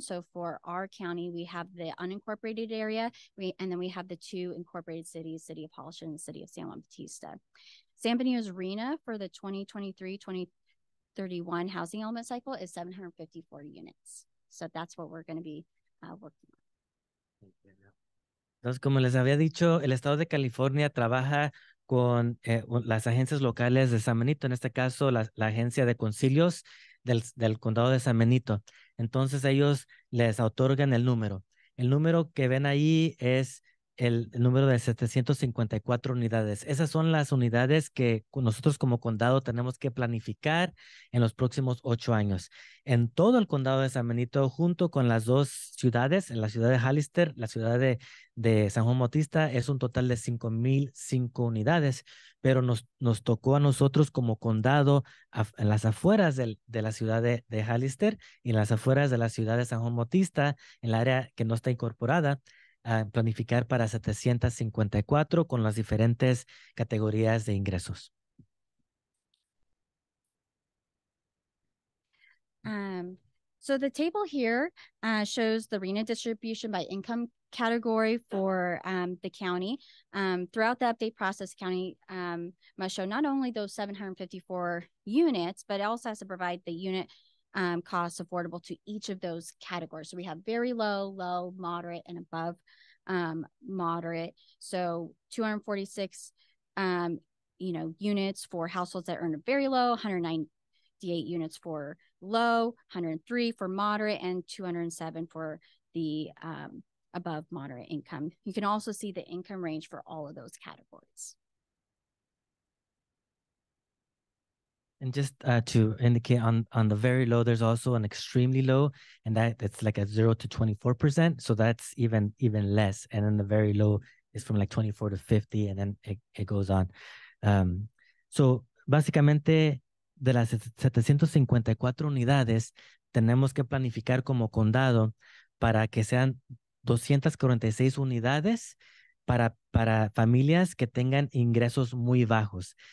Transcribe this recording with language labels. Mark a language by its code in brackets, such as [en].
[en] So for our county, we have the unincorporated area, and then we have the two incorporated cities, City of Hollister and City of San Juan Bautista. San Benito's RENA for the 2023-2031 housing element cycle is 754 units. So that's what we're going to be working on. [es] Entonces, como les había dicho, el estado de California trabaja con las agencias locales de San Benito, en este caso la agencia de concilios del condado de San Benito. Entonces ellos les otorgan el número. El número que ven ahí es el número de 754 unidades. Esas son las unidades que nosotros como condado tenemos que planificar en los próximos 8 años. En todo el condado de San Benito, junto con las dos ciudades, en la ciudad de Hallister, la ciudad de San Juan Bautista, es un total de 5,005 unidades. Pero nos tocó a nosotros como condado en las afueras de la ciudad de Hallister y en las afueras de la ciudad de San Juan Bautista, en el área que no está incorporada, a planificar para 754 con las diferentes categorías de ingresos. [en] So the table here shows the RENA distribution by income category for the county. Throughout the update process, county must show not only those 754 units, but also has to provide the unit costs affordable to each of those categories. So we have very low, moderate, and above moderate. So 246 units for households that earn a very low, 198 units for low, 103 for moderate, and 207 for the above moderate income. You can also see the income range for all of those categories. And just to indicate on the very low, there's also an extremely low, and that's like a 0 to 24%. So that's even less. And then the very low is from like 24 to 50, and then it goes on. [es] So básicamente, de las 754 unidades, tenemos que planificar como condado para que sean 246 unidades para familias que tengan ingresos muy bajos.